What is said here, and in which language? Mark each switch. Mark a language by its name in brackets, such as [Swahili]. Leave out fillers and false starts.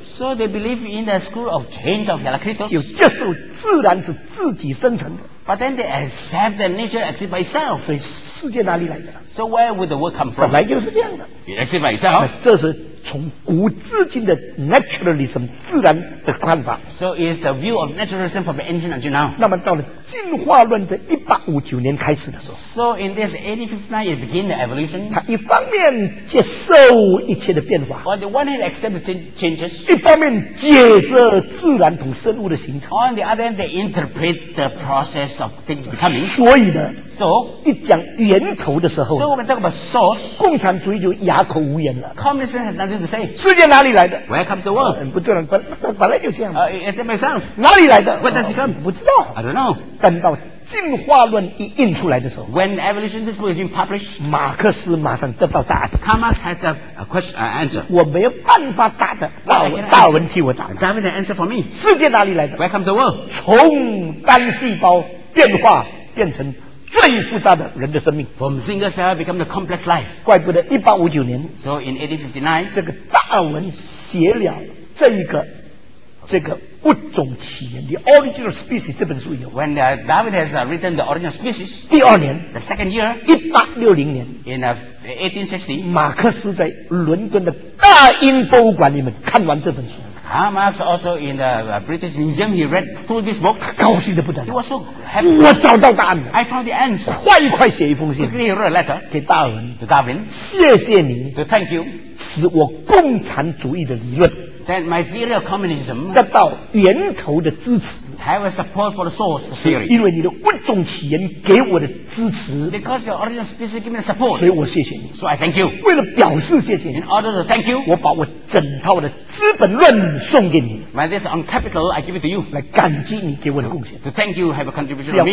[English] so they believe in the school of change of Heraclitus [Chinese] 有接受自然是自己生成的 [English] But then they accept that nature exists by itself. [Chinese] 所以世界哪里来的？ [English] So where would the world come from? [Chinese] 本来就是这样的。 [English] It exists by itself. [Chinese] 这是从古至今的 naturalism 自然的看法。 [English] So is the view of naturalism from ancient until now. [Chinese] 那么到了进化论这1859年开始的时候。 [English] So in this 1859 it began the evolution. [Chinese] 它一方面接受一切的变化。 [English] On the one hand accept the changes. [Chinese] 一方面解释自然同生物的形成。 [English] On the other hand they interpret the process of things becoming. [Chinese] 所以呢。 [English] So, [Chinese] 一讲源头的时候 [English] so when we talk about source, [Chinese] 共产主义就哑口无言了 [English] Communism has nothing to say [Chinese] 世界哪里来的 [English] Where comes the world?、 [Chinese] 不知道 本来就这样、 [English] Is it myself? [Chinese] 哪里来的 [English] Where does it come?、 [Chinese] 不知道 [English] I don't know [Chinese] 等到进化论一印出来的时候 [English] When evolution principle has been published [Chinese] 马克思马上知道答案 [English] Karl Marx has an answer [Chinese] 我没有办法答的大文替我答 [English] Darwin has an answer for me [Chinese] 世界哪里来的 [English] Where comes the world? [Chinese] 从单细胞变化变成最复杂的人的生命 [English] from single cell become the complex life [Chinese] 怪不得1859年 [English] so in 1859 [Chinese] 这个达尔文写了这个物种起源 the origin of species 这本书有 [English] when David has written the origin of species [Chinese] 第二年 [English] the second year [Chinese] 1860年 [English] in 1860 [Chinese] 马克思在伦敦的大英博物馆里面看完这本书 [English] Karl Marx also in the British Museum, he read through this book. [Chinese] 高兴得不得 [English] 了。He was so happy. [Chinese] 我找到答案了。 [English] I found the answer. [Chinese] 快快写一封信。 [English] Quickly wrote a letter. [Chinese] 给达尔文。 [English] To Darwin. [Chinese] 谢谢你。 [English] To thank you. [Chinese] 使我共产主义的理论。 [English] That my theory of communism. [Chinese] 得到源头的支持。 [English] Have a support for the source theory. [Chinese] 因为你的物种起源给我的支持。 [English] Because your original species gave me the support. [Chinese] 所以我谢谢你。 [English] So I thank you. [Chinese] 为了表示谢谢你。 [English] In order to thank you. [Chinese] 我把我整套的资本论送给你。 [English] My this on capital, I give it to you. [Chinese] 来感激你给我的贡献。 [English] To thank you, have a contribution to me.